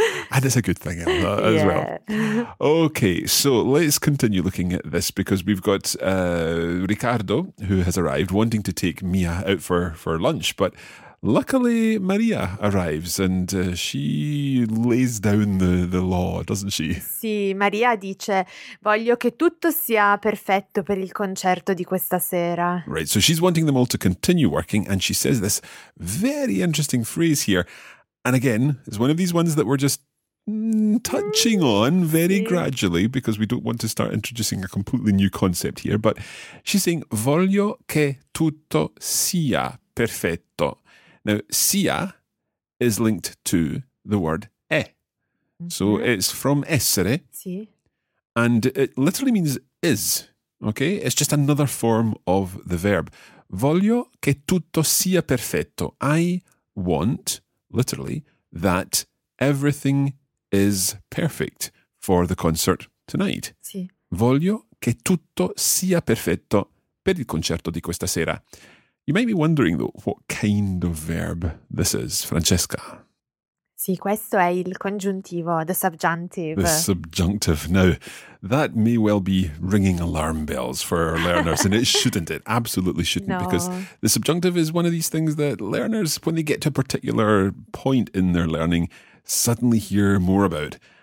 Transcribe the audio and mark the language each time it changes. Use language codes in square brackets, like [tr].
[en] And it's a good thing, Emma, as well. Okay, so let's continue looking at this because we've got Riccardo, who has arrived, wanting to take Mia out for lunch. But luckily, Maria arrives and she lays down the law, doesn't she? [it] Sì, Maria dice, voglio che tutto sia perfetto per il concerto di questa sera. [en] Right, so she's wanting them all to continue working and she says this very interesting phrase here. And again, it's one of these ones that we're just touching on very gradually because we don't want to start introducing a completely new concept here. But she's saying, [it] voglio che tutto sia perfetto. [en] Now, sia is linked to the word è. So it's from essere. [it] Sì. [en] And it literally means is. Okay? It's just another form of the verb. [it] Voglio che tutto sia perfetto. [en] I want, literally, that everything is perfect for the concert tonight. [it] Sì. Voglio che tutto sia perfetto per il concerto di questa sera. [en] You might be wondering, though, what kind of verb this is, Francesca. [it] Sì, questo è il congiuntivo, [en] the subjunctive. The subjunctive. Now, that may well be ringing alarm bells for our learners, and it shouldn't. It absolutely shouldn't, Because the subjunctive is one of these things that learners, when they get to a particular point in their learning, suddenly hear more about.